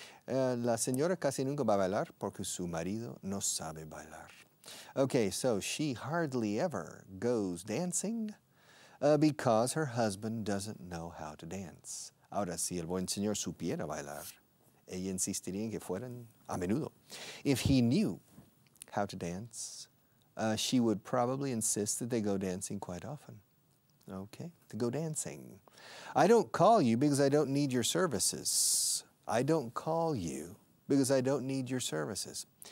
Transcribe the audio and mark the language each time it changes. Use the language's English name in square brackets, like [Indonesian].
[Spanish] La señora casi nunca va a bailar porque su marido no sabe bailar. [English] Okay, so she hardly ever goes dancing because her husband doesn't know how to dance. [Spanish] Ahora, si el buen señor supiera bailar, ella insistiría en que fueran a menudo. [English] If he knew how to dance, she would probably insist that they go dancing quite often. Okay, to go dancing. I don't call you because I don't need your services. I don't call you because I don't need your services.